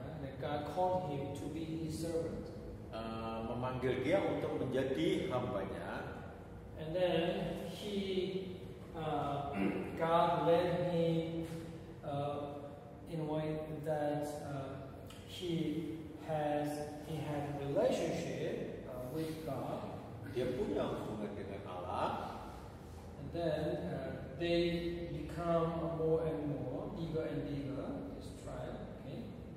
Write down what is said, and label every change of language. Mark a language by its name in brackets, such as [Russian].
[English] Yeah, and God called him to be his servant. [Indonesian] Memanggil dia untuk menjadi hambanya. [English] And then he, God led him in a way that he had relationship with God. [Indonesian] Dia punya hubungan dengan Allah. [English] And then they become more and more eager and eager, this tribe, okay?